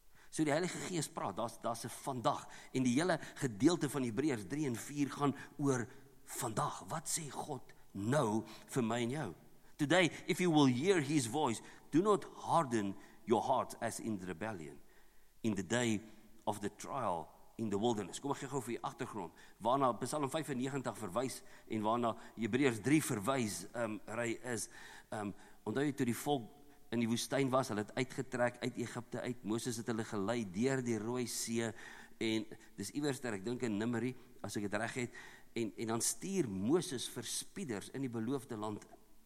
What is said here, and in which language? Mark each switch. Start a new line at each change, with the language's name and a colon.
Afrikaans: So die Heilige Gees praat, daar's 'n vandag, en die hele gedeelte van Hebreërs 3 en 4 gaan oor vandag. Wat sê God nou vir my en jou?
English: Today, if you will hear his voice, do not harden your heart as in the rebellion, in the day of the trial in the wilderness.
Afrikaans: Kom, ek gee gou vir die agtergrond, waarna Psalm 95 verwys, en waarna Hebreërs 3 verwys, ry is, onthou jy toe die volk in die woestijn was, hulle het uitgetrek uit Egypte uit, Moses het hulle gelei deur die Rooi See, en dis iewers ter, ek dink in Numeri, as ek het reg het, en dan stuur Moses verspieders in die beloofde land in.